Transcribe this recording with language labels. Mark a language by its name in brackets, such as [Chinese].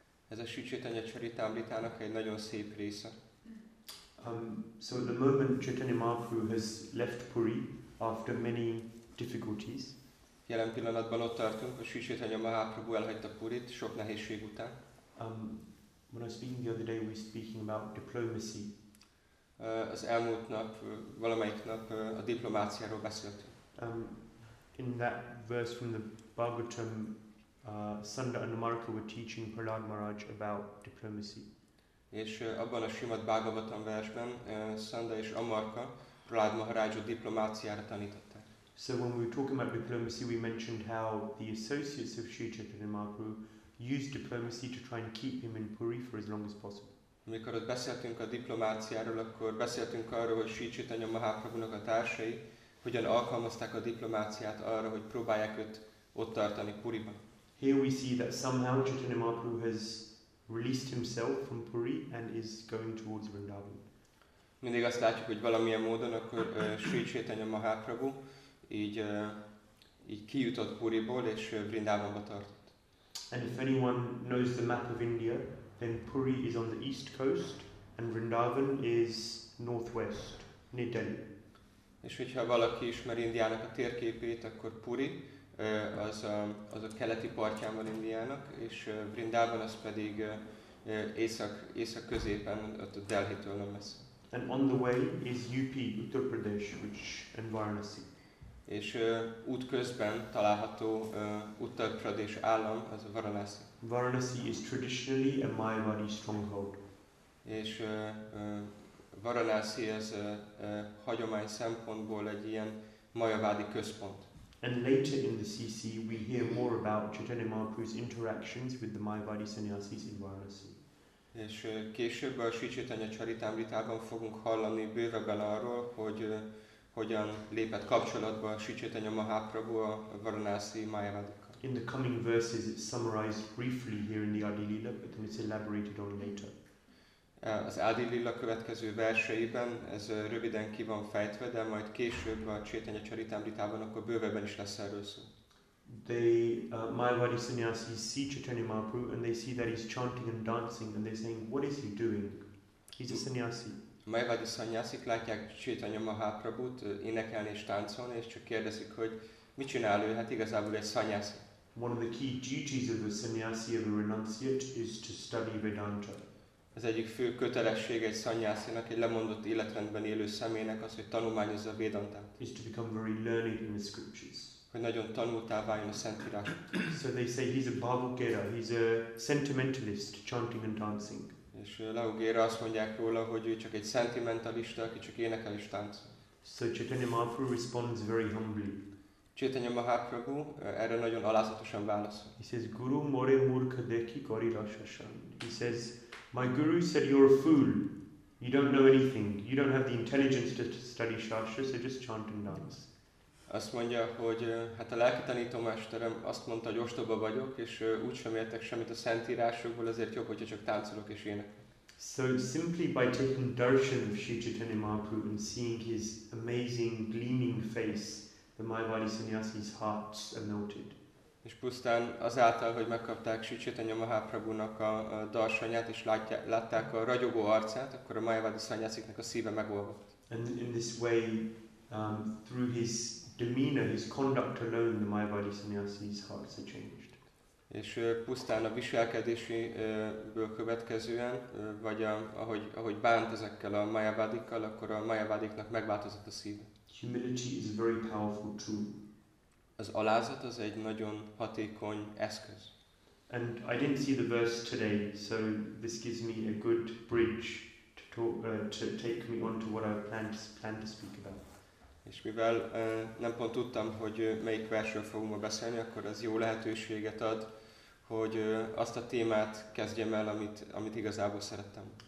[Hungarian] Ez a Sri Chaitanya Charitamritának egy nagyon szép része. [English] So at the moment Chaitanya Mahaprabhu has left Puri after many difficulties. [Hungarian] Jelen pillanatban ott tartunk, hogy Sri Chaitanya Mahaprabhu elhagyta Purit sok nehézség után. [English] When I was speaking the other day, we were speaking about diplomacy. [Hungarian] Az elmúlt nap, valamelyik nap a diplomáciáról beszéltünk. [English] In that verse from the Bhagavatam, Sanda and Marka were teaching Prahlad Maharaj about diplomacy. [Hungarian] És abban a Srimad Bhagavatam versben Sanda és Amarka Prahlad Maharajot diplomáciára tanították. [English] So when we were talking about diplomacy, we mentioned how the associates of Sri Chaitanya Mahaprabhu used diplomacy to try and keep him in Puri for as long as possible. [Hungarian] Amikor ott beszéltünk a diplomáciáról, akkor beszéltünk arról, hogy Sri Chaitanya Mahaprabhunak a társai hogyan alkalmazták a diplomáciát arra, hogy próbálják őt ott tartani Puriban. [English] Here we see that somehow Chaitanya Mahaprabhu has released himself from Puri and is going towards Vrindavan. [Hungarian] Mindig azt látjuk, hogy valamilyen módon akkor Sri Chaitanya Mahaprabhu így kijutott Puriból és Vrindavanba tartott. [English] And if anyone knows the map of India, then Puri is on the east coast and Vrindavan is northwest near Delhi. [Hungarian] És hogyha valaki ismeri Indiának a térképét, akkor Puri az a keleti partján van Indiának, és Vrindavan az pedig észak középen, ott a Delhi-től nem messze. [English] And on the way is UP, Uttar Pradesh, which and Varanasi. [Hungarian] És útközben található Uttar Pradesh állam, az a Varanasi. [English] Varanasi is traditionally a Mayavadi stronghold. [Hungarian] És Varanasi az hagyomány szempontból egy ilyen Mayavadi központ. [English] And later in the CC we hear more about Chaitanya Mahaprabhu's interactions with the Mayavadi sannyasis in Varanasi. [Hungarian] És később a Sri Chaitanya Charitamritában fogunk hallani bővebben arról, hogy hogyan lépett kapcsolatba Sri Chaitanya Mahaprabhu a Varanasi Mayavadikkal. [English] In the coming verses it's summarized briefly here in the Adi Lila, but then it's elaborated on later. [Hungarian] Az Adi Lila következő verseiben ez röviden ki van fejtve, de majd később a Chaitanya Charitamritában akkor bővebben is lesz erről szó. [English] The Mayavadi sannyasis see Chaitanya Mahaprabhu and they see that he's chanting and dancing and they're saying, what is he doing? He's a sannyasi. [Hungarian] Mayavadi sannyasik látják Chaitanya Mahaprabhut énekelni és táncolni, és csak kérdezik, hogy mit csinál ő, hát igazából egy sannyasi. [English] One of the key duties of a sannyasi or a renunciate is to study Vedanta. [Hungarian] Az egyik fő kötelessége egy sannyasinak, egy lemondott életrendben élő személynek az, hogy tanulmányozza a Vedantát. [English] Is to become very learned in the scriptures. [Hungarian] Hogy nagyon tanultá váljon a szentírás. [English] So they say he's a bhavukera, he's a sentimentalist, chanting and dancing. [Hungarian] És Laugera azt mondják róla, hogy ő csak egy sentimentalista, aki csak énekel és táncol. [English] So Chaitanya Mahaprabhu responds very humbly. [Hungarian] Chaitanya Mahaprabhu erre nagyon alázatosan válaszol. [English] He says, [Bangla] Guru more murkha dekhi kari rasasan. [English] He says, my guru said you're a fool. You don't know anything. You don't have the intelligence to study shastra, so just chant and dance. [Hungarian] Azt mondja, hogy hát a lelki tanítómesterem azt mondta, hogy ostoba vagyok, és úgysem értek semmit a szentírásokból, ezért jobb, hogyha csak táncolok és ének. [English] So simply by taking darshan of Sri Chaitanya Mahaprabhu and seeing his amazing gleaming face, the Mayavadi sannyasi's hearts are melted. [Hungarian] És pusztán azáltal, hogy megkapták Sri Chaitanya Mahaprabhunak a darshanját, és látták a ragyogó arcát, akkor a Mayavadi sannyasiknak a szíve megolvadt. [English] And in this way, through his demeanor, his conduct alone, the Mayavadi sannyasi's hearts are changed. [Hungarian] És pusztán a viselkedéséből következően, vagy ahogy bánt ezekkel a Mayavadikkal, akkor a Mayavadiknak megváltozott a szíve. [English] Humility is a very powerful tool. [Hungarian] Az alázat az egy nagyon hatékony eszköz. [English] And I didn't see the verse today, so this gives me a good bridge to take me on to what I planned to speak about. [Hungarian] És mivel nem pont tudtam, hogy melyik versről fogunk ma beszélni, akkor az jó lehetőséget ad, hogy azt a témát kezdjem el, amit igazából szerettem.